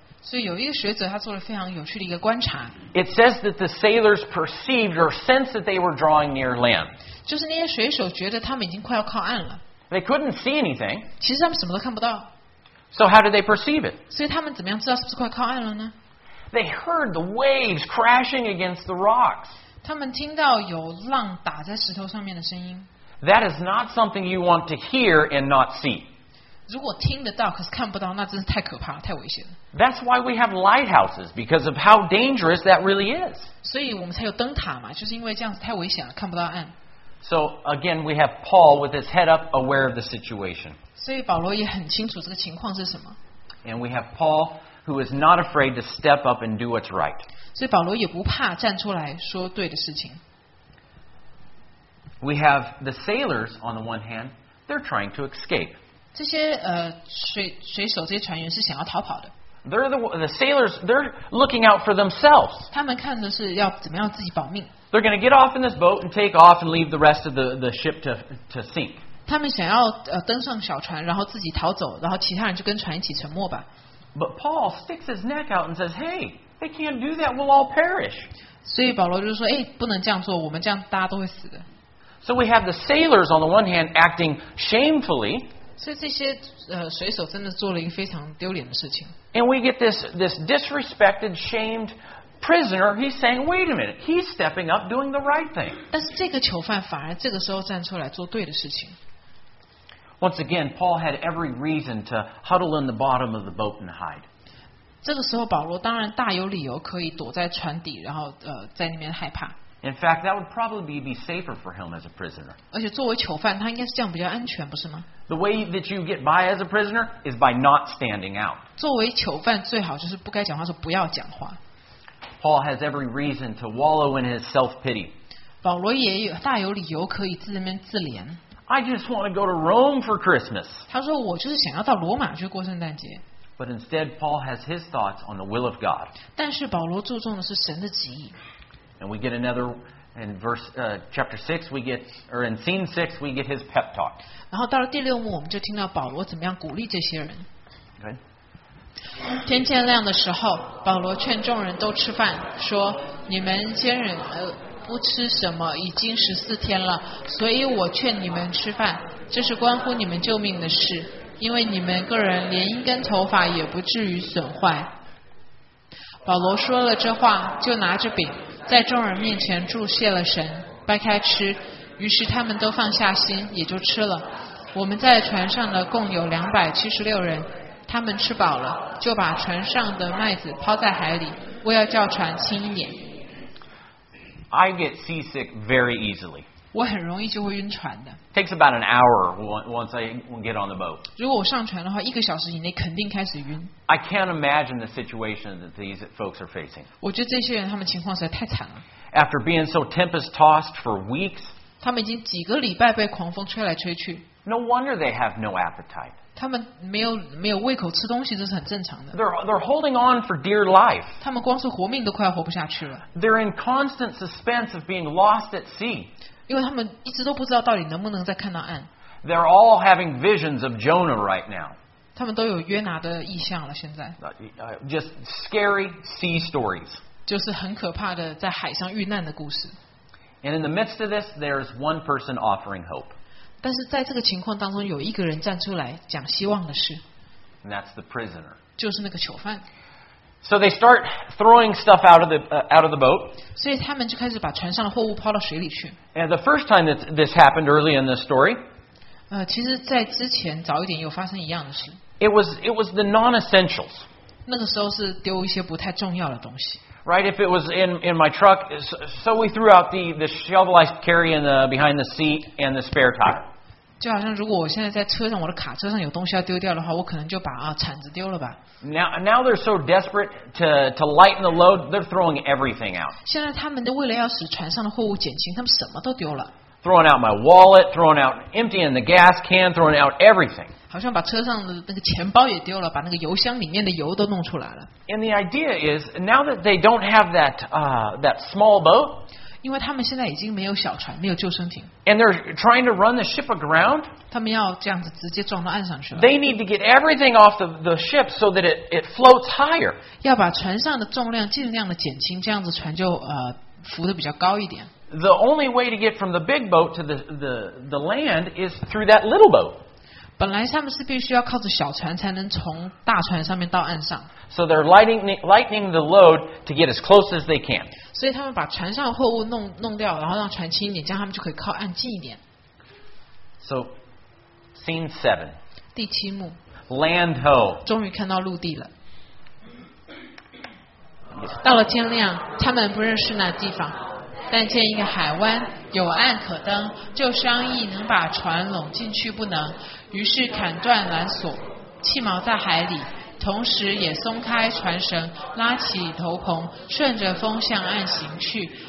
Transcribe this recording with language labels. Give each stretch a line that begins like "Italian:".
Chinese: 所以有一个学者他做了非常有趣的一个观察。
English: It says that the sailors perceived or sensed that they were drawing near land.
Chinese: 就是那些水手觉得他们已经快要靠岸了。
English: They couldn't see anything.
Chinese: 其实他们什么都看不到。
English: So how did they perceive it?
Chinese: 所以他们怎么样知道是不是快靠岸了呢?
English: They heard the waves crashing against the rocks.
Chinese: 他们听到有浪打在石头上面的声音。
English: That is not something you want to hear and not see.
Chinese: 如果听得到可是看不到，那真是太可怕太危险了。
English: That's why we have lighthouses, because of how dangerous that really is.
Chinese: 所以我们才有灯塔嘛，就是因为这样子太危险了，看不到岸。
English: So again, we have Paul with his head up, aware of the situation.
Chinese: 所以保罗也很清楚这个情况是什么。
English: And we have Paul who is not afraid to step up and do what's right.
Chinese: 所以保罗也不怕站出来说对的事情。
English: We have the sailors on the one hand, they're trying to escape.
Chinese: 这些水手这些船员是想要逃跑的。
English: They're the sailors, they're looking out for themselves.
Chinese: 他们看的是要怎么样自己保命。
English: They're going to get off in this boat and take off and leave the rest of the ship to sink.
Chinese: 他们想要登上小船，然后自己逃走，然后其他人就跟船一起沉没吧。
English: But Paul sticks his neck out and says, "Hey, they can't do that. We'll all perish."
Chinese: 所以保罗就说，哎，不能这样做，我们这样大家都会死的。
English: So we have the sailors on the one hand acting shamefully.
Chinese: 所以这些水手真的做了一个非常丢脸的事情。
English: And we get this disrespected, shamed. Prisoner, he's saying, "Wait a minute! He's stepping up, doing the right thing."
Chinese: 但是这个囚犯反而这个时候站出来做对的事情。
English: Once again, Paul had every reason to huddle in the bottom of the boat and hide.
Chinese: 这个时候保罗当然大有理由可以躲在船底，然后在那边害怕。
English: In fact, that would probably be safer for him as a prisoner.
Chinese: 而且作为囚犯，他应该是这样比较安全，不是吗？
English: The way that you get by as a prisoner is by not standing out.
Chinese: 作为囚犯，最好就是不该讲话，说不要讲话。
English: Paul has every reason to wallow in his self-pity.
Chinese: 保罗也有大有理由可以自怜自怜。
English: I just want to go to Rome for Christmas.
Chinese: 他说我就是想要到罗马去过圣诞节。
English: But instead, Paul has his thoughts on the will of God.
Chinese: 但是保罗注重的是神的旨意。
English: And we get another in verse chapter 6, we get or in scene 6, we get his pep talk.
Chinese: 然后到了第六幕，我们就听到保罗怎么样鼓励这些人。
English: Okay.
Chinese: 天渐亮的时候，保罗劝众人都吃饭，说：“你们坚忍不吃什么，已经十四天了，所以我劝你们吃饭，这是关乎你们救命的事，因为你们个人连一根头发也不至于损坏。” 保罗说了这话，就拿着饼，在众人面前祝谢了神，掰开吃，于是他们都放下心，也就吃了。我们在船上的共有276人。他们吃饱了，就把船上的麦子抛在海里，为要叫船轻一点。
English: I get seasick very easily.
Chinese: 我很容易就会晕船的。
English: Takes about an hour once I get on the boat.
Chinese: 如果我上船的话，一个小时以内肯定开始晕。
English: I can't imagine the situation that these folks are facing.
Chinese: 我觉得这些人他们情况实在太惨了。
English: After being so tempest-tossed for weeks,
Chinese: 他们已经几个礼拜被狂风吹来吹去。
English: No wonder they have no appetite.
Chinese: 他们没有胃口吃东西，这是很正常的。
English: They're holding on for dear life.
Chinese: 他们光是活命都快要活不下去了。
English: They're in constant suspense of being lost at sea.
Chinese: 因为他们一直都不知道到底能不能再看到岸。
English: They're all having visions of Jonah right now.
Chinese: 他们都有约拿的意象了，现在。
English: Just scary sea stories.
Chinese: 就是很可怕的在海上遇难的故事。
English: And in the midst of this, there's one person offering hope.
Chinese: 但是在这个情况当中，有一个人站出来讲希望的事。
English: And that's the prisoner.
Chinese: 就是那个囚犯。
English: So they start throwing stuff out of the boat.
Chinese: 所以他们就开始把船上的货物抛到水里去。
English: And the first time that this happened early in this story.
Chinese: 其实在之前早一点有发生一样的事。
English: It was the non-essentials.
Chinese: 那个时候是丢一些不太重要的东西。
English: Right, if it was in my truck, so we threw out the shovel I carry in the behind the seat and the spare tire.
Chinese: 就好像如果我现在在车上，我的卡车上有东西要丢掉的话，我可能就把铲子丢了吧。
English: Now they're so desperate to lighten the load, they're throwing everything out.
Chinese: 现在他们为了要使船上的货物减轻，他们什么都丢了。
English: Throwing out my wallet, throwing out emptying the gas can, throwing out everything.
Chinese: 好像把车上的那个钱包也丢了，把那个油箱里面的油都弄出来了。
English: And the idea is, now that they don't have that small boat,
Chinese: 因为他们现在已经没有小船，没有救生艇。
English: And they're trying to run the ship aground.
Chinese: 他们要这样子直接撞到岸上去了。
English: They need to get everything off the ship so that it floats higher.
Chinese: 要把船上的重量尽量的减轻，这样子船就浮得比较高一点。
English: The only way to get from the big boat to the land is through that little boat.
Chinese: 本来他们是必须要靠着小船才能从大船上面到岸上。
English: So they're lightening the load to get as close as they can.
Chinese: 所以他们把船上的货物弄掉，然后让船轻一点，这样他们就可以靠岸近一点。
English: So, scene seven.
Chinese: 第七幕。
English: Land ho.
Chinese: 终于看到陆地了。到了天亮，他们不认识那地方，但见一个海湾，有岸可登，就商议能把船拢进去不能，于是砍断缆索，弃锚在海里，同时也松开船绳，拉起头篷，顺着风向岸行去。